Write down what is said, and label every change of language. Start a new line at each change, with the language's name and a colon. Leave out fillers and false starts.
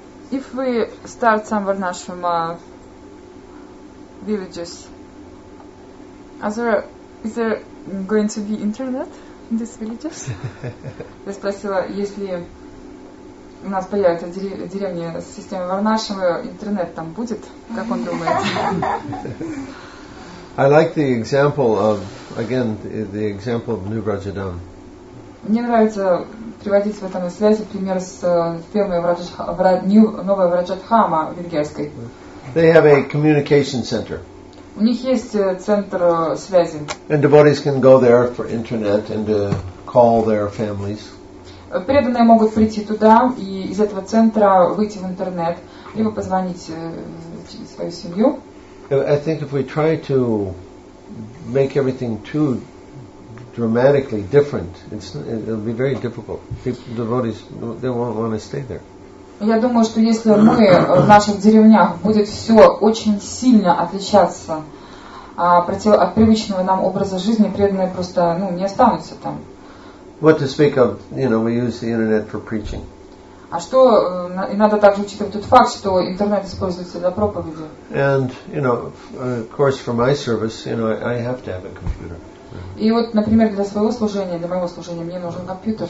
English: If we start some Varnashrama villages, is there going to be internet in these villages?
Russian: Я спросила, если у нас появится деревня с системой Варнашрама, интернет там будет? Как он думает?
English: I like the example of, again, the example of New Brajadam.
Russian: Мне нравится приводить в этом связи пример с фермой новой Враджатхама венгерской.
English: They have a communication center.
Russian: У них есть центр связи.
English: And devotees can go there for internet and to call their families.
Russian: Преданные могут прийти туда и из этого центра выйти в интернет, либо позвонить свою семью.
English: I think if we try to make everything too dramatically different, it'll be very difficult. People, devotees, they won't want to stay there.
Russian: Я думаю, что если мы в наших деревнях будет все очень сильно отличаться от привычного нам образа жизни, преданные просто не останутся там.
English: What to speak of, we use the internet for preaching.
Russian: А что и надо также учитывать тот факт, что интернет используется для проповеди.
English: And of course for my service, I have to have a computer.
Russian: И вот, например, для своего служения, для моего служения, мне нужен компьютер.